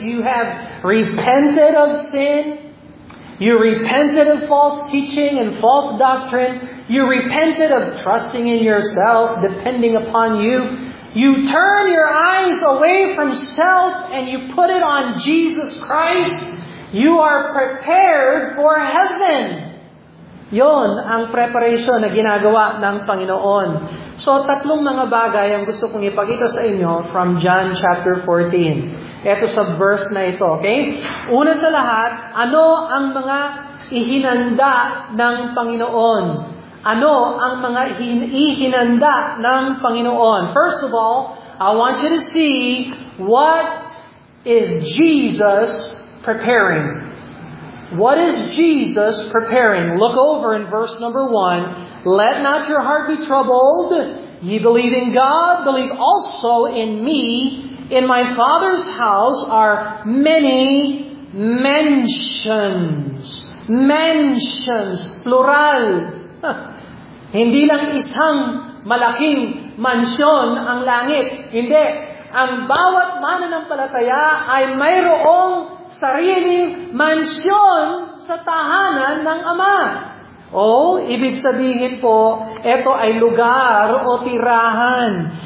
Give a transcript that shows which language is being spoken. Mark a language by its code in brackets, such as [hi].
[en] You have repented of sin. You repented of false teaching and false doctrine. You repented of trusting in yourself, depending upon you. You turn your eyes away from self and you put it on Jesus Christ. You are prepared for heaven. [tl] Yon ang preparation na ginagawa ng Panginoon. So, tatlong mga bagay ang gusto kong ipakita sa inyo from John chapter 14. Ito sa verse na ito, okay? Una sa lahat, ano ang mga ihinanda ng Panginoon? Ano ang mga ihinanda ng Panginoon? [en] First of all, I want you to see what is Jesus preparing. What is Jesus preparing? Look over in verse number 1. Let not your heart be troubled. Ye believe in God, believe also in me. In my Father's house are many mansions. Mansions, plural. [tl] Hindi lang isang malaking mansyon ang langit. Hindi. Ang bawat mananampalataya ay mayroong sariling mansyon sa tahanan ng Ama. O, ibig sabihin po, ito ay lugar o tirahan.